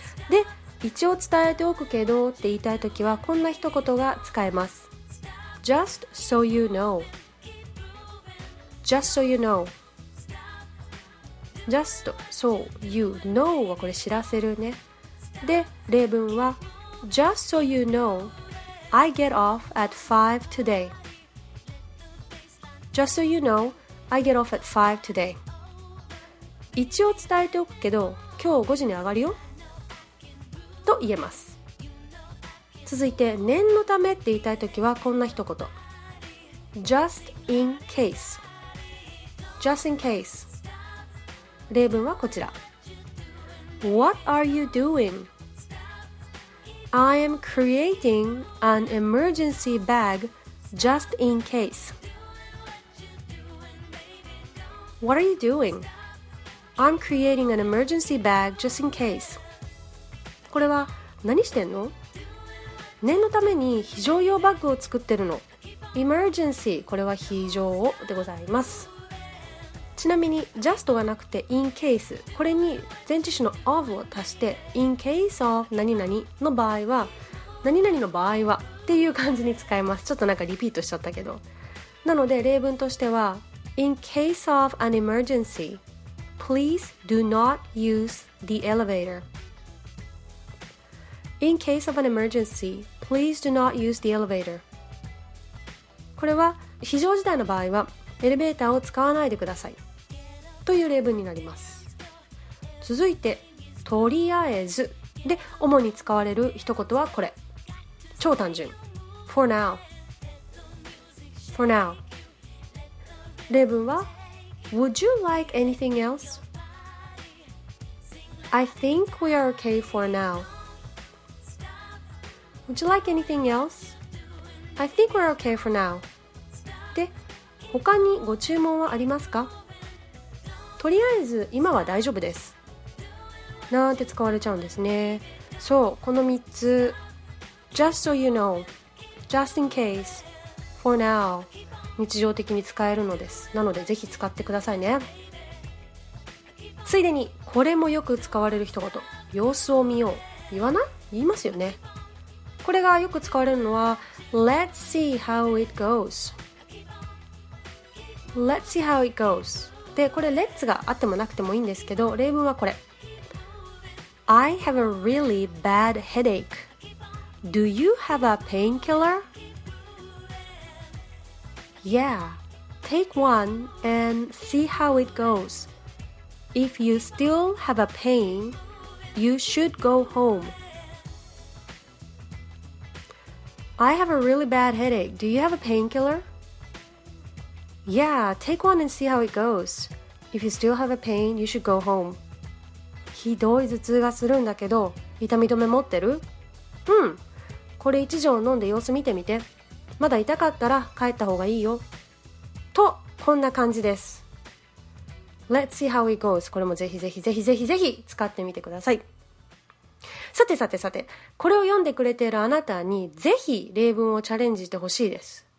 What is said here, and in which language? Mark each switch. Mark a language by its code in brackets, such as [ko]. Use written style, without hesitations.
[ja] で、一応伝えておくけどって言いたいときはこんな一言が使えます。 [en] Just so you know. Just so you know. Just so you know [ja] はこれ知らせるね。で、例文は [en] Just so you know, I get off at 5 today. Just so you know, I get off at 5 today. [ja] 一応伝えておくけど、今日5時に上がるよと言えます。続いて、念のためって言いたいときはこんな一言、 [en] Just in case. Just in case. [ja] 例文はこちら、 [en] What are you doing? I am creating an emergency bag just in case. What are you doing? I'm creating an emergency bag just in case. [ja] これは何してんの？念のために非常用バッグを作ってるの。Emergency、 これは非常でございます。ちなみに Just がなくて In case、 これに前置詞の of を足して [en] In case of [ja] 何々の場合は、何々の場合はっていう感じに使えます。ちょっとなんかリピートしちゃったけど。なので例文としては、 [en] In case of an emergency, please do not use the elevatorIn case of an emergency, please do not use the elevator. [ja] これは非常事態の場合はエレベーターを使わないでくださいという例文になります。続いて、とりあえずで主に使われる一言はこれ、超単純、 [en] For now. For now. 例文は、 Would you like anything else? I think we are okay for nowWould you like anything else? I think we're okay for now. [ja] で、他にご注文はありますか？とりあえず今は大丈夫です。なんて使われちゃうんですね。そう、この3つ、 [en] Just so you know、 Just in case、 For now、 [ja] 日常的に使えるのです。なのでぜひ使ってくださいね。ついでにこれもよく使われる一言、様子を見よう。言わない？言いますよね。これがよく使われるのは [en] Let's see how it goes、 Let's see how it goes。 [ja] で、これ [en] Let's [ja] があってもなくてもいいんですけど、例文はこれ、 [en] I have a really bad headache、 Do you have a painkiller? Yeah, take one and see how it goes。 If you still have a pain、You should go home. I have a really bad headache. Do you have a painkiller? Yeah, take one and see how it goes. If you still have a pain, you should go home. [ja] ひどい頭痛がするんだけど、痛み止め持ってる？うん。これ一錠飲んで様子見てみて。まだ痛かったら帰った方がいいよ。と、こんな感じです。 [en] Let's see how it goes. [ja] これもぜひぜひぜひぜひぜひ使ってみてください。さてさてさて、これを読んでくれているあなたにぜひ例文をチャレンジしてほしいです。